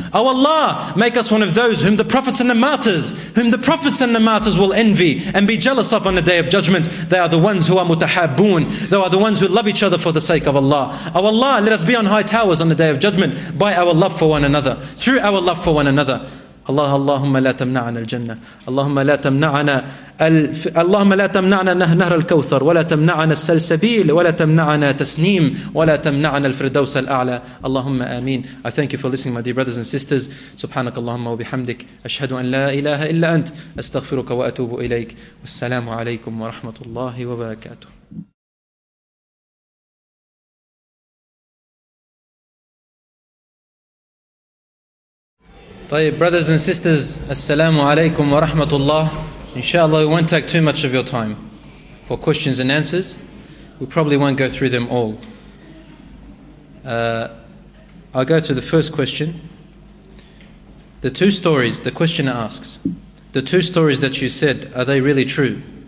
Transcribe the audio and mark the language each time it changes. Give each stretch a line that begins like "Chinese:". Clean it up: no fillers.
English: Oh Allah, make us one of those whom the prophets and the martyrs, whom the prophets and the martyrs will envy and be jealous of on the day of judgment. They are the ones who are mutahabboon. They are the ones who love each other for the sake of Allah. Oh Allah, let us be on high towers on the day of judgment by our love for one another, through our love for one another.
Arabic: Allahumma la tamna'ana al-jannah. Allahumma la tamna'ana اللهم لا تمنعنا نهر الكوثر ولا تمنعنا السلسبيل ولا تمنعنا تسنيم ولا تمنعنا الفردوس الأعلى اللهم آمين.
English: I thank you for listening, my dear brothers and sisters.
Arabic: سبحانك اللهم وبحمدك أشهد أن لا إله إلا أنت أستغفرك وأتوب إليك. والسلام عليكم ورحمة الله وبركاته. طيب,
English: brothers and sisters,
Arabic: السلام عليكم ورحمة الله.
English: Inshallah, we won't take too much of your time for questions and answers. We probably won't go through them all. I'll go through the first question. The two stories, the questioner asks, the two stories that you said, are they really true?